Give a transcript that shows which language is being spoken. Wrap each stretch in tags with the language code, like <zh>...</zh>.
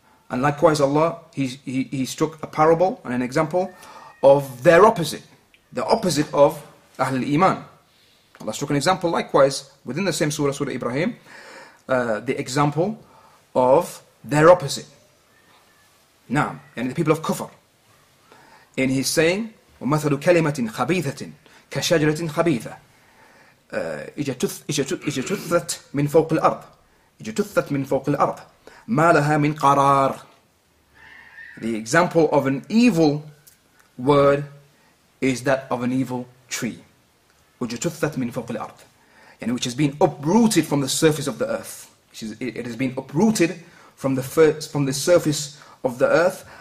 <en>And likewise Allah, he struck a parable and an example of their opposite, the opposite of Ahlul Iman. Allah struck an example likewise within the same surah, Surah Ibrahim, the example of their opposite. Naam, and the people of Kufr. And he's saying,</en> <ar>وَمَثَلُ كَلِمَةٍ خَبِيثَةٍ كَشَجْرَةٍ خَبِيثَةٍ اجتثت من فوق الأرض اجتثت من فوق الأرض ما لها من قرار.</ar> <en>The example of an evil word is that of an evil tree.</en> <ar>وَجَتُثَّتْ مِنْ فَوْقِ الْأَرْضِ,</ar> <en>which has been uprooted from the surface of the earth. It has been uprooted from the first, from the surface of the earth.</en>